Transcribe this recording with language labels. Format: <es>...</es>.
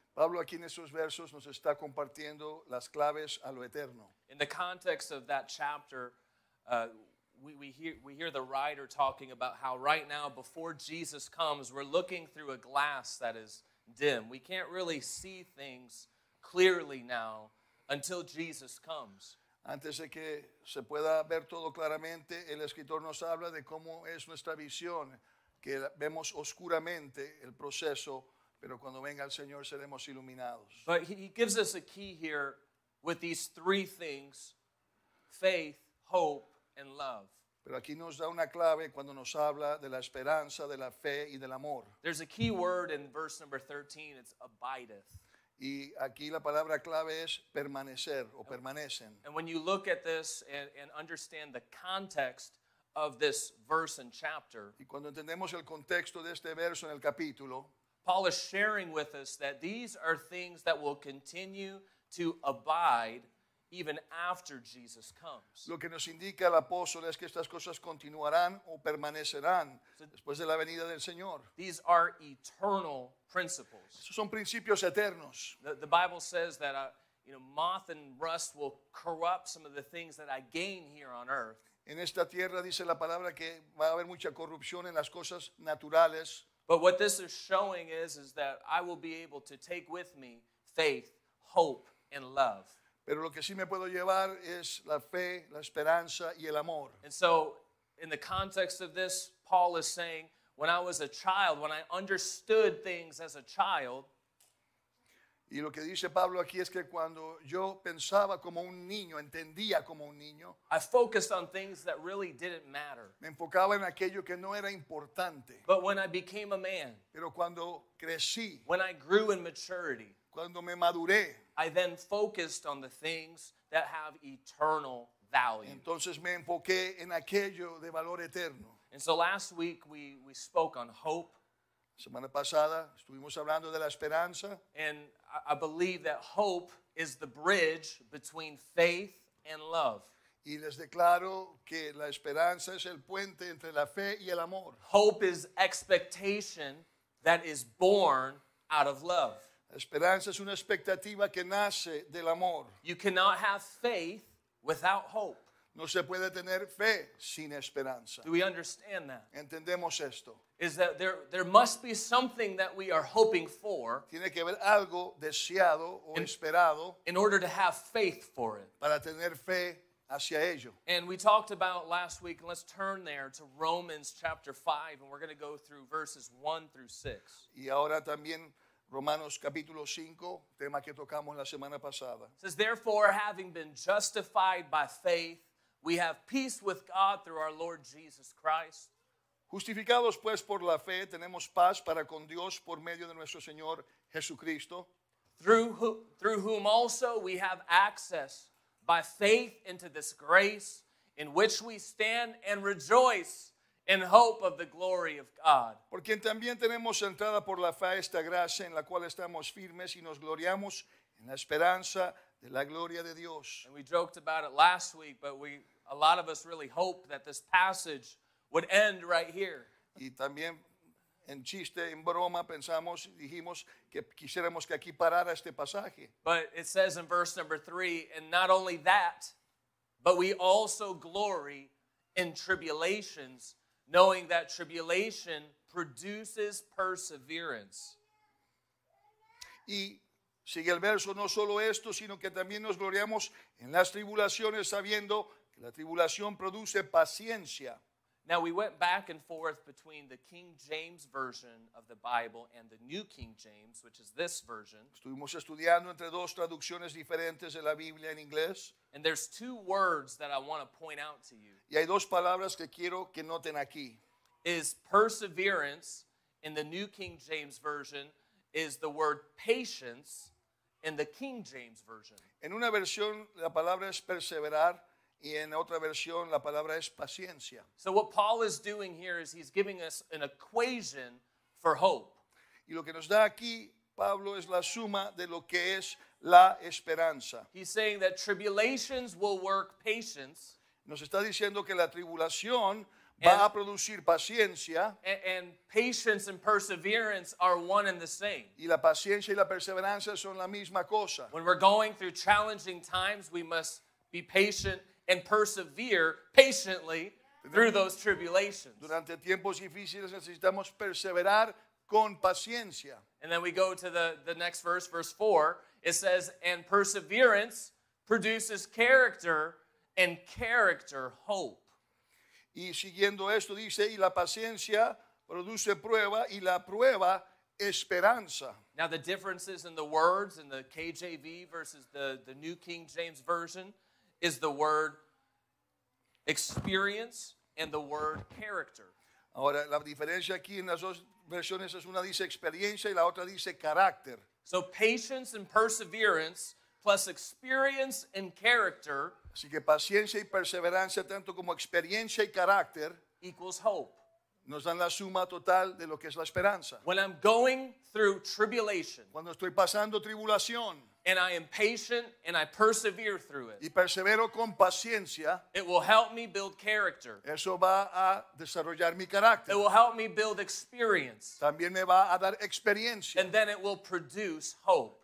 <es>Pablo aquí en esos versos nos está compartiendo las claves a lo eterno.</es> <en>In the context of that chapter, we hear the writer talking about how right now, before Jesus comes, we're looking through a glass that is dim. We can't really see things clearly now until Jesus comes.</en> <es>Antes de que se pueda ver todo claramente, el escritor nos habla de cómo es nuestra visión, que vemos oscuramente el proceso, pero cuando venga el Señor seremos iluminados.</es> <en>But he gives us a key here with these three things: faith, hope, and love.</en> <es>Pero aquí nos da una clave cuando nos habla de la esperanza, de la fe y del amor.</es> <en>There's a key word in verse number 13, it's abideth.</en> <es>Y aquí la palabra clave es permanecer o permanecen.</es> <en>And when you look at this and understand the context of this verse and chapter,</en> <es>y cuando entendemos el contexto de este verso en el capítulo,</es> <en>Paul is sharing with us that these are things that will continue to abide even after Jesus comes.</en> <es>Lo que nos indica el apóstol es que estas cosas continuarán o permanecerán después de la venida del Señor.</es> <en>These are eternal principles.</en> <es>Esos son principios eternos.</es> <en>The Bible says that moth and rust will corrupt some of the things that I gain here on earth.</en> <es>En esta tierra dice la palabra que va a haber mucha corrupción en las cosas naturales.</es> <en>But what this is showing is that I will be able to take with me faith, hope, and love.</en> <es>Pero lo que sí me puedo llevar es la fe, la esperanza y el amor.</es> <en>And so, in the context of this, Paul is saying, when I was a child, when I understood things as a child.</en> <es>Y lo que dice Pablo aquí es que cuando yo pensaba como un niño, entendía como un niño.</es> <en>I focused on things that really didn't matter.</en> <es>Me enfocaba en aquello que no era importante.</es> <en>But when I became a man.</en> <es>Pero cuando crecí.</es> <en>When I grew in maturity.</en> <es>Cuando me maduré.</es> <en>I then focused on the things that have eternal value.</en> <es>Entonces me enfoqué en aquello de valor eterno.</es> <en>And so last week we spoke on hope.</en> <es>Semana pasada estuvimos hablando de la esperanza.</es> <en>And I believe that hope is the bridge between faith and love.</en> <es>Y les declaro que la esperanza es el puente entre la fe y el amor.</es> <en>Hope is expectation that is born out of love.</en> <es>Esperanza es una expectativa que nace del amor.</es> <en>You cannot have faith without hope.</en> <es>No se puede tener fe sin esperanza.</es> <en>Do we understand that?</en> <es>Entendemos esto.</es> <en>Is that there must be something that we are hoping for.</en> <es>Tiene que haber algo deseado o esperado.</es> <en>In order to have faith for it.</en> <es>Para tener fe hacia ello.</es> <en>And we talked about last week, and let's turn there to Romans chapter 5, and we're going to go through verses 1 through 6.</en> <es>Y ahora también Romanos capítulo 5, tema que tocamos la semana pasada.</es> <en>It says, therefore, having been justified by faith, we have peace with God through our Lord Jesus Christ.</en> <es>Justificados pues por la fe, tenemos paz para con Dios por medio de nuestro Señor Jesucristo.</es> <en>Through whom also we have access by faith into this grace in which we stand and rejoice in hope of the glory of God.</en> <es>Por quien también tenemos entrada por la fe esta gracia en la cual estamos firmes y nos gloriamos en la esperanza de la gloria de Dios.</es> <en>And we joked about it last week, but a lot of us really hope that this passage would end right here.</en> <es>Y también en chiste, en broma, pensamos, dijimos que quisiéramos que aquí parara este pasaje.</es> <en>But it says in verse number 3, and not only that, but we also glory in tribulations, knowing that tribulation produces perseverance.</en> <es>Y sigue el verso, no solo esto, sino que también nos gloriamos en las tribulaciones, sabiendo que la tribulación produce paciencia.</es> <en>Now we went back and forth between the King James version of the Bible and the New King James, which is this version.</en> <es>Estuvimos estudiando entre dos traducciones diferentes de la Biblia en inglés.</es> <en>And there's two words that I want to point out to you.</en> <es>Y hay dos palabras que quiero que noten aquí.</es> <en>Is perseverance in the New King James version is the word patience in the King James version.</en> <es>En una versión la palabra es perseverar. Y en otra versión, la palabra es paciencia.</es> <en>So what Paul is doing here is he's giving us an equation for hope.</en> <es>Y lo que nos da aquí, Pablo, es la suma de lo que es la esperanza.</es> <en>He's saying that tribulations will work patience.</en> <es>Nos está diciendo que la tribulación va a producir paciencia.</es> <en>And patience and perseverance are one and the same.</en> <es>Y la paciencia y la perseverancia son la misma cosa.</es> <en>When we're going through challenging times, we must be patient and persevere patiently through those tribulations.</en> <es>Durante tiempos difíciles necesitamos perseverar con paciencia.</es> <en>And then we go to the next verse, verse 4. It says, and perseverance, produces character, and character hope.</en> <es>Y siguiendo esto dice, y la paciencia produce prueba, y la prueba esperanza.</es> <en>Now the differences in the words in the KJV versus the New King James Version is the word experience and the word character.</en> <es>Ahora la diferencia aquí en las dos versiones es una dice experiencia y la otra dice carácter.</es> <en>So patience and perseverance plus experience and character.</en> <es>Así que paciencia y perseverancia tanto como experiencia y carácter</es> <en>equals hope.</en> <es>Nos dan la suma total de lo que es la esperanza.</es> <en>When I'm going through tribulation.</en> <es>Cuando estoy pasando tribulación.</es> <en>And I am patient and I persevere through it.</en> <es>Y persevero con paciencia.</es> <en>It will help me build character.</en> <es>Eso va a desarrollar mi carácter.</es> <en>It will help me build experience.</en> <es>También me va a dar experiencia.</es> <en>And then it will produce hope.</en>